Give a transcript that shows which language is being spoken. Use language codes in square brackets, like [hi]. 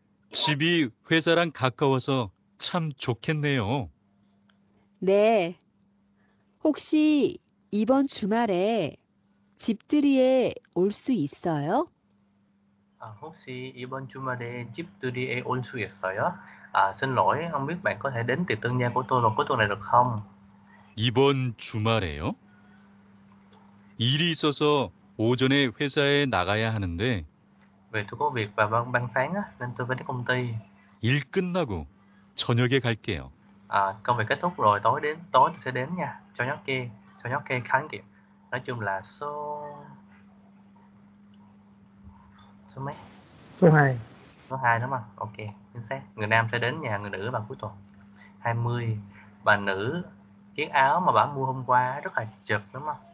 [ko] 집이 회사랑 가까워서 참 좋겠네요. 네. 혹시 이번 주말에 집들이에 올 수 있어요? 아, 혹시 이번 주말에 집들이에 올 수 있어요? [vi] 아, xin lỗi, không biết bạn có thể đến tiệc tân gia của tôi vào cuối tuần này được không? [ko] 이번 주말에요? 일이 있어서 오전에 회사에 나가야 하는데. [vi] Vì tôi có việc vào ban sáng á, nên tôi phải đến công ty. [ko] 일 끝나고 저녁에 갈게요. [vi] 아, công việc kết thúc rồi tối đến, tối tôi sẽ đến nha. [ko] 저녁에, 저녁에 갈게요. [vi] Nói chung là số số mấy? Số 2. Số 2 đúng không? Ok, chính xác. Người nam sẽ đến nhà người nữ vào cuối tuần. 20. Bà nữ chiếc áo mà bà mua hôm qua rất là chật đúng không?